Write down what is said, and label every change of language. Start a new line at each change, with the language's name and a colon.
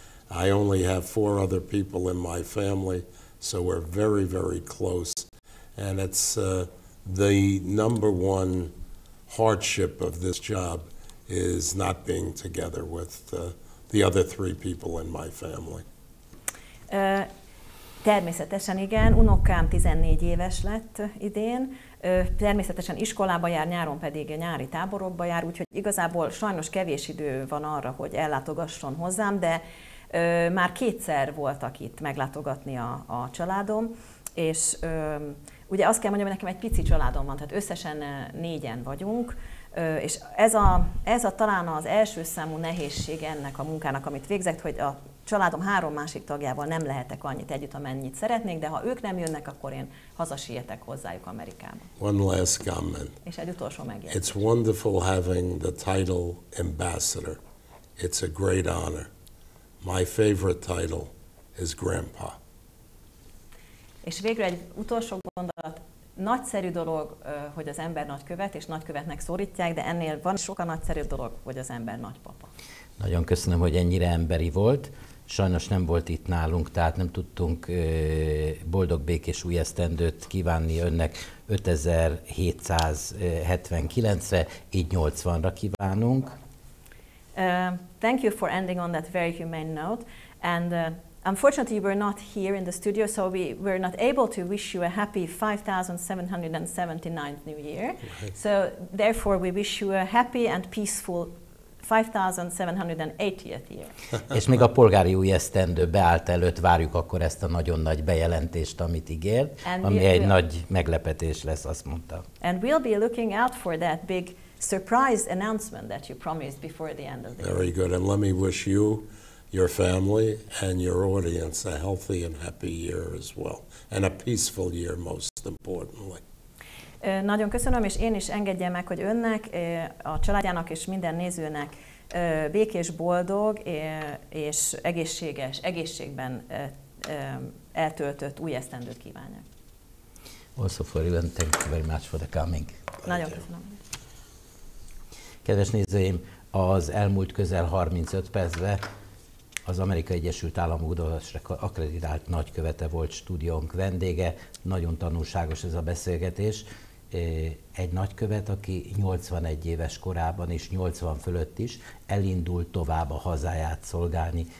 English: I only have four other people in my family, so we're very, very close. And it's the number one hardship of this job is not being together with the other three people in my family.
Hungarian: Természetesen igen, unokám 14 éves lett idén, természetesen iskolába jár, nyáron pedig nyári táborokba jár, úgyhogy igazából sajnos kevés idő van arra, hogy ellátogasson hozzám, de már kétszer voltak itt meglátogatni a családom, és ugye azt kell mondjam, hogy nekem egy pici családom van, tehát összesen négyen vagyunk, és ez a talán az első számú nehézség ennek a munkának, amit végzek, hogy a családom három másik tagjával nem lehetek annyit együtt, amennyit szeretnék, de ha ők nem jönnek, akkor én hazasietek hozzájuk Amerikába.
English: One last comment.
Hungarian: És egy utolsó megjegyzés.
English: It's wonderful having the title ambassador. It's a great honor. My favorite title is grandpa.
Hungarian: És végre egy utolsó gondolat. Nagyszerű dolog, hogy az ember nagykövet, és nagykövetnek szorítják, de ennél van sokkal nagyszerűbb dolog, hogy az ember nagypapa. Nagyon köszönöm, hogy ennyire emberi volt. Sajnos nem volt itt nálunk, tehát nem tudtunk boldog, békés új esztendőt kívánni önnek 5779-re, így 80-ra kívánunk.
English: Thank you for ending on that very humane note. And unfortunately, you were not here in the studio, so we were not able to wish you a happy 5779th New Year. Okay. So therefore, we wish you a happy and peaceful 5780th year.
Hungarian: És még a polgári új esztendő beállt előtt várjuk akkor ezt a nagyon nagy bejelentést, amit ígért, ami egy nagy meglepetés lesz, azt mondta.
English: And we'll be looking out for that big surprise announcement that you promised before the end of the year. Very good, and let me wish you, your family, and your audience a healthy and happy year as well, and a peaceful year most importantly.
Hungarian: Nagyon köszönöm, és én is engedjem meg, hogy önnek, a családjának és minden nézőnek békés, boldog és egészséges, egészségben eltöltött új esztendőt kívánok.
English: Also for you and thank you very much for the coming.
Hungarian: Nagyon köszönöm. Kedves nézőim, az elmúlt közel 35 percben az Amerikai Egyesült Államok udvarosra akkreditált nagykövete volt stúdiónk vendége. Nagyon tanulságos ez a beszélgetés. Egy nagykövet, aki 81 éves korában és 80 fölött is elindult tovább a hazáját szolgálni.